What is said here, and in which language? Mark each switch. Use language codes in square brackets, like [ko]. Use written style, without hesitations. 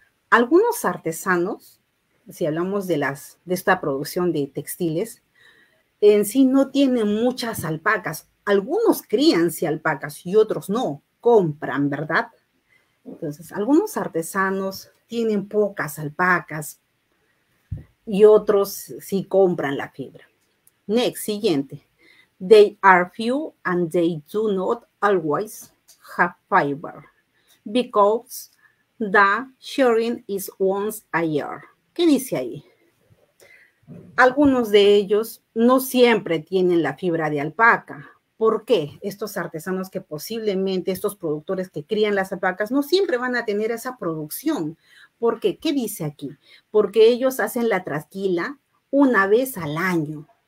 [es] Algunos artesanos, si hablamos de esta producción de textiles, en sí no tienen muchas alpacas. Algunos críanse alpacas y otros no. Compran, ¿verdad? Entonces, algunos artesanos tienen pocas alpacas y otros sí compran la fibra. [en] Next, [es] siguiente. [en] They are few and they do not always have fiber because the shearing is once a year. [es] ¿Qué dice ahí? Algunos de ellos no siempre tienen la fibra de alpaca. ¿Por qué? Estos artesanos que posiblemente, estos productores que crían las alpacas, no siempre van a tener esa producción. ¿Por qué? ¿Qué dice aquí? Porque ellos hacen la trasquila una vez al año.